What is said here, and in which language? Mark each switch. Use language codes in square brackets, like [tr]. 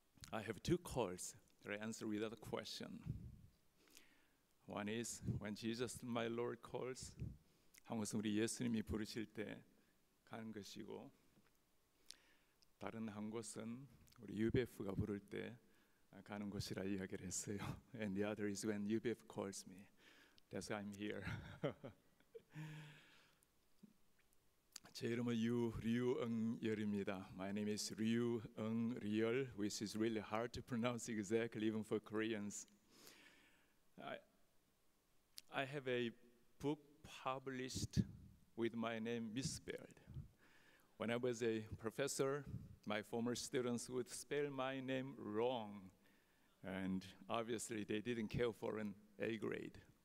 [en] I have two calls that I answer without a question. One is when Jesus, my Lord, calls. [ko] 한 곳은 우리 예수님이 부르실 때 가는 것이고, 다른 한 곳은 우리 UBF가 부를 때 가는 곳이라 이야기를 했어요. [en] And the other is when UBF calls me. That's why I'm here. [ko] 제 이름은 류응열입니다. [en] My name is 류응열, which is really hard to pronounce exactly, even for Koreans. I have a book published with my name misspelled. When I was a professor, my former students would spell my name wrong, and obviously they didn't care for an A grade.